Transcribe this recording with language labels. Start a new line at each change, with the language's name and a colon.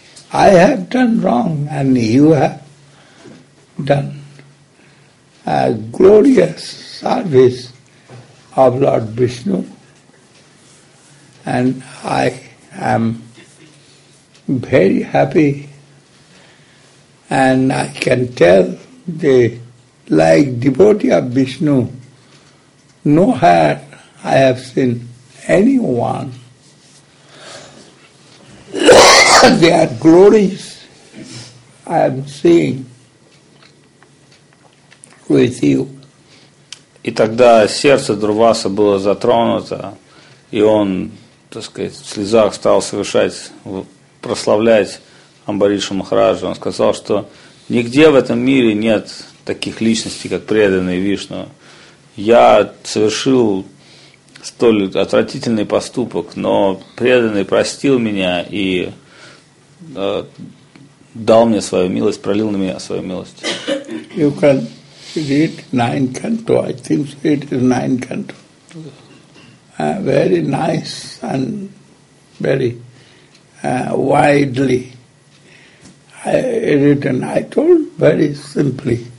English: I have done wrong and you have done a glorious service of Lord Vishnu, and I am very happy, and I can tell the like devotee of Vishnu, nowhere I have seen anyone. They are glories I am seeing with you.
Russian: И тогда сердце Дурваса было затронуто, и он так сказать, в слезах стал совершать, прославлять Амбаришу Махараджу. Он сказал, что нигде в этом мире нет таких личностей, как преданные Вишну. Я совершил столь отвратительный поступок, но преданный простил меня и дал мне свою милость, пролил на меня свою милость.
English: You can read 9 canto, I think it is 9 canto. Very nice and very widely written. I told very simply.